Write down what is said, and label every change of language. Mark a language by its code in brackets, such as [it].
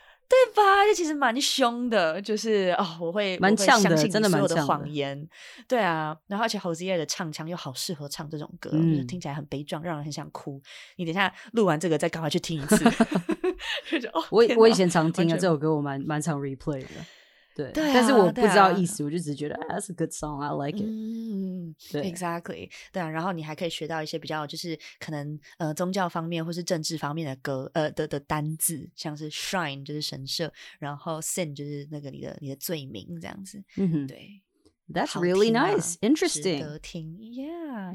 [zh] 对吧，这其实蛮凶的，就是哦，我会蛮呛的，真的蛮呛的谎言，对啊。然后而且 Hozier 的唱腔又好适合唱这种歌，就是听起来很悲壮，让人很想哭。你等一下录完这个再赶快去听一次、哦、我以前常听啊，这首歌我蛮常 replay 的，对, 对、啊，但是我不知道意思，啊、我就只觉得 [en] that's a good song, I like it. [zh] 对 [en] ，exactly. [zh] 对、啊，然后你还可以学到一些比较就是可能宗教方面或是政治方面的歌的单字，像是 shrine 就是神社，然后 sin 就是那个你的罪名这样子。对 [en] ，that's really nice, interesting. [zh] 值得听 ，yeah.